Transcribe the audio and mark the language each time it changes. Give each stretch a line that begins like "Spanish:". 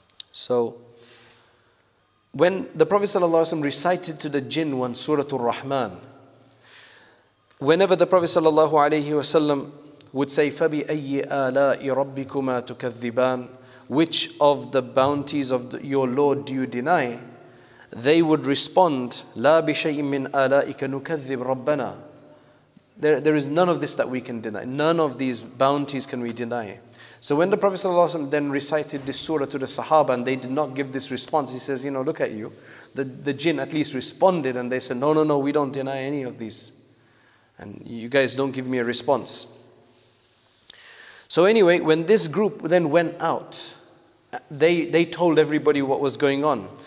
English: So when the Prophet ﷺ recited to the jinn one Surah Ar-Rahman, whenever the Prophet ﷺ would say,
Arabic: فَبِأَيِّ آلَاءِ رَبِّكُمَا تُكَذِّبَانِ,
English: which of the bounties of your Lord do you deny? They would respond,
Arabic: لَا بِشَيْءٍ مِّنْ آلَائِكَ نُكَذِّبْ رَبَّنَا.
English: There is none of this that we can deny. None of these bounties can we deny. So when the Prophet ﷺ then recited this surah to the Sahaba and they did not give this response, he says, you know, look at you. The jinn at least responded and they said, no, we don't deny any of these. And you guys don't give me a response. So anyway, when this group then went out, they told everybody what was going on.